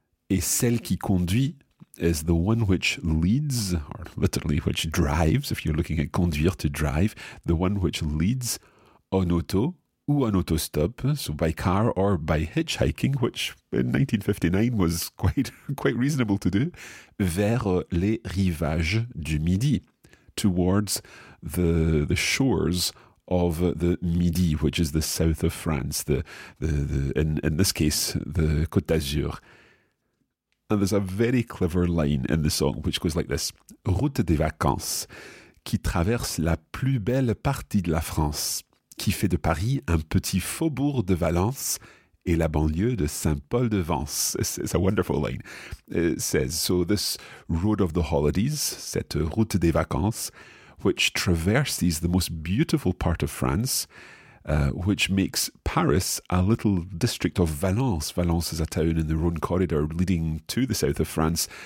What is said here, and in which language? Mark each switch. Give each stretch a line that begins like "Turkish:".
French: et celle qui conduit,
English: is the one which leads, or literally which drives, if you're looking at conduire to drive, the one which leads
French: en auto ou en autostop,
English: so by car or by hitchhiking, which in 1959 was quite reasonable to do,
French: vers les rivages du Midi.
English: Towards the shores of the Midi, which is the south of France, in this case, the Côte d'Azur. And there's a very clever line in the song, which goes like this.
French: Route des vacances, qui traverse la plus belle partie de la France, qui fait de Paris un petit faubourg de Valence et la banlieue de Saint-Paul-de-Vence.
English: It's a wonderful line. It says, so this road of the holidays,
French: cette route des vacances,
English: which traverses the most beautiful part of France, which makes Paris a little district of Valence. Valence is a town in the Rhone corridor leading to the south of France.